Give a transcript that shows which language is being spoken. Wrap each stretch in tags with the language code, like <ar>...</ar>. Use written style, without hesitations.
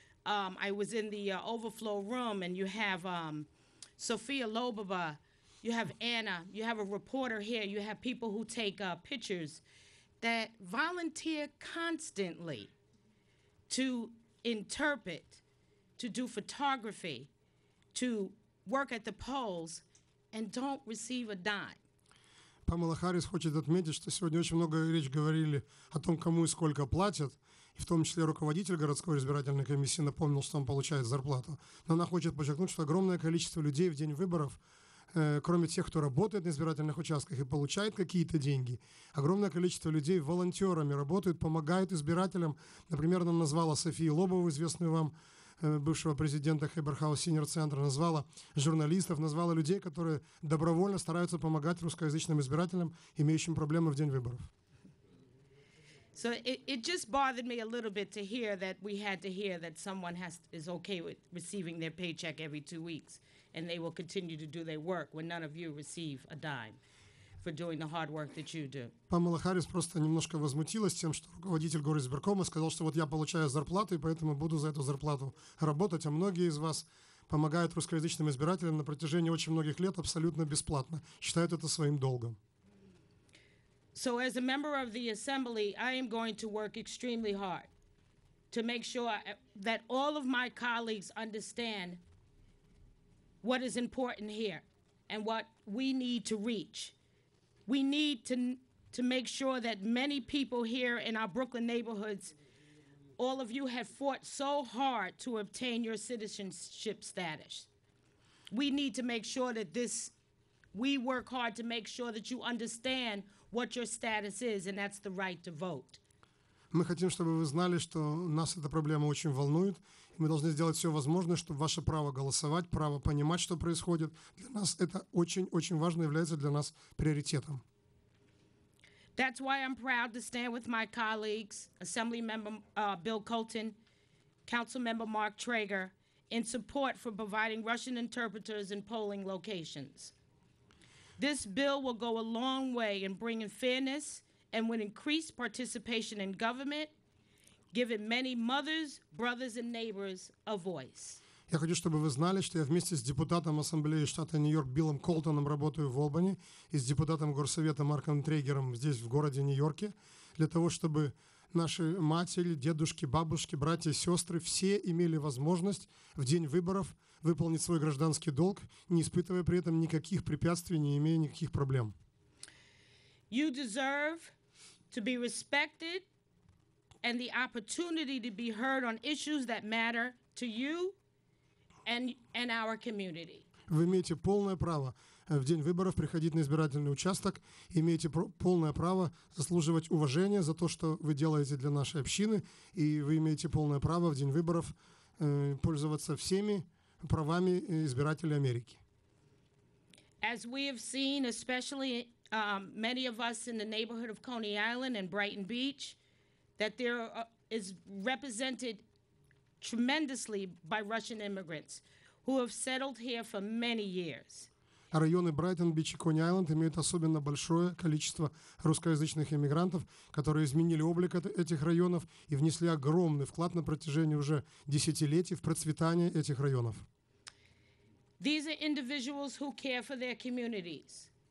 <en>I was in the overflow room, and you have Sophia Lobaba, you have Anna, you have a reporter here, you have people who take pictures that volunteer constantly to interpret, to do photography, to work at the polls, and don't receive a dime.</en> <ru>Памела Харрис хочет отметить, что сегодня очень много речь говорили о том, кому и сколько платят, и в том числе руководитель городской избирательной комиссии напомнил, что он получает зарплату. Но она хочет подчеркнуть, что огромное количество людей в день выборов, кроме тех, кто работает на избирательных участках и получает какие-то деньги, огромное количество людей волонтерами работают, помогают избирателям. Например, она назвала Софию Лобову, известную вам, бывшего президента Хейберхаус Синьор Центра, назвала журналистов, назвала людей, которые добровольно стараются помогать русскоязычным избирателям, имеющим проблемы в день выборов.</ru> <en>So it just bothered me a little bit to hear that we had to hear that someone is okay with receiving their paycheck every 2 weeks, and they will continue to do their work when none of you receive a dime for doing the hard work that you do.</en> <ru>Памела Харрис просто немножко возмутилась тем, что руководитель горизбиркома сказал, что вот я получаю зарплату, и поэтому буду за эту зарплату работать, а многие из вас помогают русскоязычным избирателям на протяжении очень многих лет абсолютно бесплатно, считают это своим долгом.</ru> <en>So as a member of the assembly, I am going to work extremely hard to make sure that all of my colleagues understand what is important here and what we need to reach. We need to make sure that many people here in our Brooklyn neighborhoods, all of you have fought so hard to obtain your citizenship status. We need to make sure that this, we work hard to make sure that you understand what your status is, and that's the right to vote.</en> <ru>Мы хотим, чтобы вы знали, что нас эта проблема очень волнует. Мы должны сделать все возможное, чтобы ваше право голосовать, право понимать, что происходит. Для нас это очень-очень важно, является для нас приоритетом.</ru> <en>That's why I'm proud to stand with my colleagues, Assemblymember Bill Colton, Councilmember Mark Traeger, in support for providing Russian interpreters in polling locations. This bill will go a long way in bringing fairness and will increase participation in government, giving many mothers, brothers, and neighbors a voice.</en> <ru>Я хочу, чтобы вы знали, что я вместе с депутатом Ассамблеи штата Нью-Йорк Биллом Колтоном работаю в Олбани и с депутатом Горсовета Марком Трейгером здесь, в городе Нью-Йорке, для того, чтобы наши матери, дедушки, бабушки, братья, сестры все имели возможность в день выборов выполнить свой гражданский долг, не испытывая при этом никаких препятствий, не имея никаких проблем.</ru> <en>You deserve to be respected and the opportunity to be heard on issues that matter to you and our community.</en> <ru>Вы имеете полное право в день выборов приходить на избирательный участок, имеете полное право заслуживать уважения за то, что вы делаете для нашей общины, и вы имеете полное право в день выборов пользоваться всеми правами избирателей Америки.</ru> <en>As we have seen, especially many of us in the neighborhood of Coney Island and Brighton Beach, that there is represented tremendously by Russian immigrants who have settled here for many years.</en> <ru>Районы Брайтон-Бич и Кони-Айленд имеют особенно большое количество русскоязычных иммигрантов, которые изменили облик этих районов и внесли огромный вклад на протяжении уже десятилетий в процветание этих районов.</ru> <en>These are individuals who care for their communities.</en>